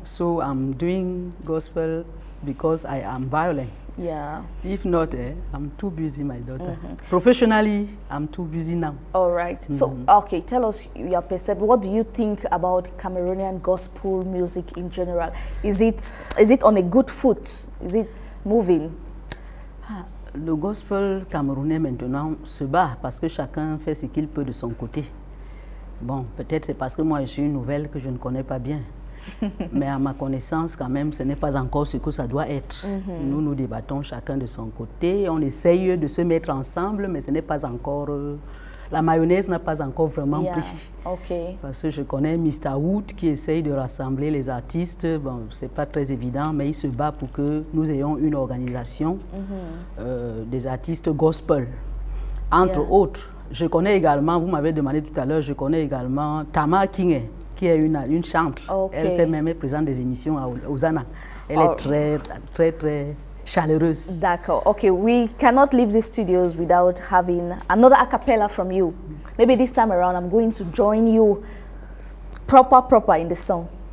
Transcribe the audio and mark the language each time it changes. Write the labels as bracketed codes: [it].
[en] So I'm doing gospel because I am violent. Yeah. If not, I'm too busy, my daughter. Mm-hmm. Professionally, I'm too busy now. All right. Mm-hmm. So, okay, tell us your perception. What do you think about Cameroonian gospel music in general? Is it on a good foot? Is it moving? [fr] Le gospel camerounais maintenant se bat parce que chacun fait ce qu'il peut de son côté. Bon, peut-être c'est parce que moi je suis une nouvelle que je ne connais pas bien. Mais à ma connaissance, quand même, ce n'est pas encore ce que ça doit être. Mm-hmm. Nous nous débattons chacun de son côté. On essaye de se mettre ensemble, mais ce n'est pas encore... La mayonnaise n'a pas encore vraiment pris. [en] Okay. [fr] Parce que je connais Mr. Wood qui essaye de rassembler les artistes. Bon, ce n'est pas très évident, mais il se bat pour que nous ayons une organisation mm-hmm. Des artistes gospel, entre autres. Je connais également, vous m'avez demandé tout à l'heure, je connais également Tama Kinge, qui est une chante. [en] Okay. [fr] Elle fait même présente des émissions à Ozana. Elle est très, très, très chaleureuse. D'accord. [en] Okay, we cannot leave the studios without having another a cappella from you. Maybe this time around, I'm going to join you proper in the song.